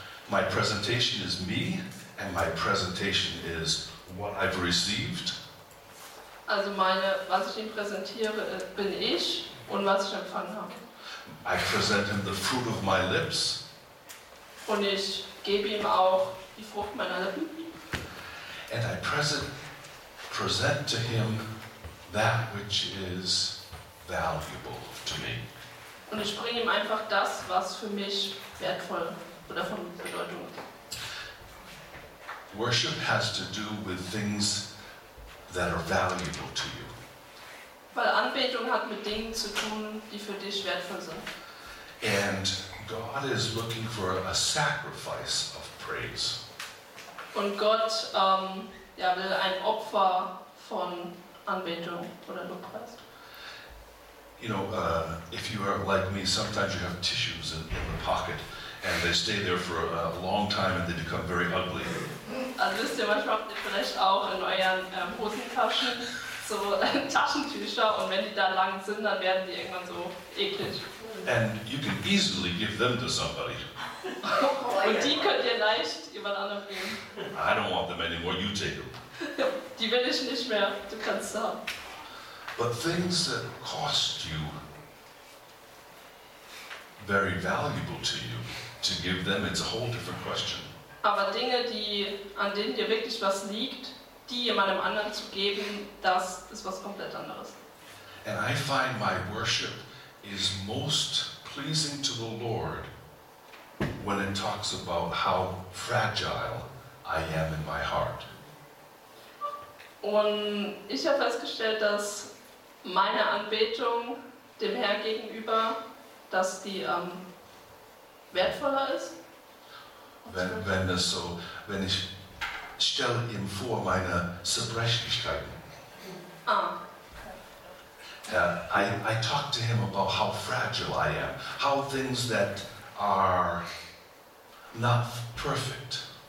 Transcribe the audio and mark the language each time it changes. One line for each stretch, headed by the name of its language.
English: My presentation is me, and my presentation is what I've received.
German: Also was ich ihm präsentiere, bin ich und was ich empfangen habe.
English: I present him the fruit of my lips.
German: Und ich gebe ihm auch die Frucht meiner Lippen.
English: And I present to him that which is valuable to me.
German: Und ich bringe ihm einfach das, was für mich wertvoll oder von Bedeutung ist.
English: Worship has to do with things that are valuable to you.
German: Weil Anbetung hat mit Dingen zu tun, die für dich wertvoll sind.
English: And God is looking for a sacrifice of praise.
German: Und Gott will ein Opfer von Anbetung oder Lobpreis.
English: You know, if you are like me, sometimes you have tissues in the pocket and they stay there for a long time and they become very ugly.
German: Also wisst ihr, manchmal habt ihr vielleicht auch in euren Hosentaschen so Taschentücher und wenn die da lang sind, dann werden die irgendwann so eklig.
English: And you can easily give them to somebody.
German: Und die könnt ihr leicht jemand anderem geben.
English: I don't want them anymore, you take them.
German: Die will ich nicht mehr, du kannst sie haben.
English: But things that cost you, very valuable to you, to give them, it's a whole different question.
German: Aber Dinge, die, an denen dir wirklich was liegt, die jemandem anderen zu geben, das ist was komplett anderes.
English: And I find my worship is most pleasing to the Lord when it talks about how fragile I am in my heart.
German: Und ich habe festgestellt, dass meine Anbetung dem Herr gegenüber, dass die wertvoller ist. Wenn das so, wenn ich stelle ihm vor meine Zerbrechlichkeiten.
English: I talk to him about how fragile I am, how things that are not perfect.